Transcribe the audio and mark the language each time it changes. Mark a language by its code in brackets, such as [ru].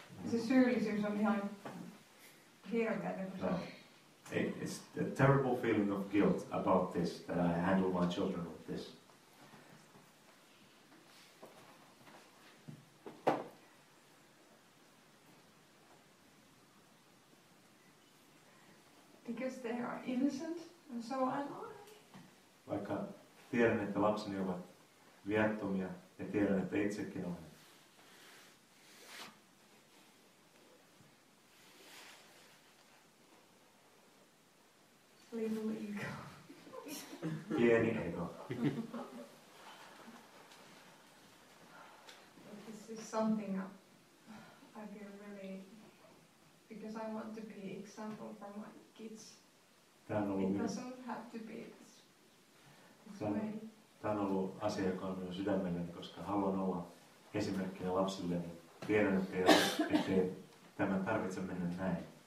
[fi] Se syyllisyys on ihan hirveä. [en] It's a terrible feeling of guilt about this, that I handle my children with this. Because they are innocent, and so am I. [fi] Vaikka tiedän, että lapseni ovat viattomia, ja tiedän, että itsekin olen. [en] Little ego. [fi] Pieni ego. [en] This is something I feel really, because I want to be example for my kids. Doesn't have to be this way. [fi] Tämä on ollut asia, joka on minun sydämelleni, koska haluan olla esimerkkinä lapsilleni. Tiedän, ettei tämän tarvitse mennä näin.